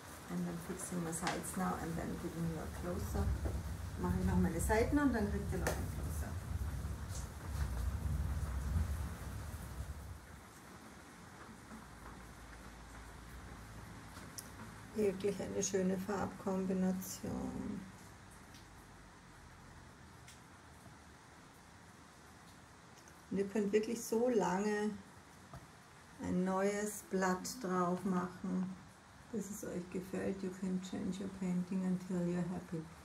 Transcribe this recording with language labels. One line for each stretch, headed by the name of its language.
English: And then fixing my sides now and then giving you a closer.
German: Mache ich noch meine Seiten und dann kriegt ihr noch ein closer. Wirklich eine schöne Farbkombination. Und ihr könnt wirklich so lange ein neues Blatt drauf machen, bis es euch gefällt.
English: You can change your painting until you're happy.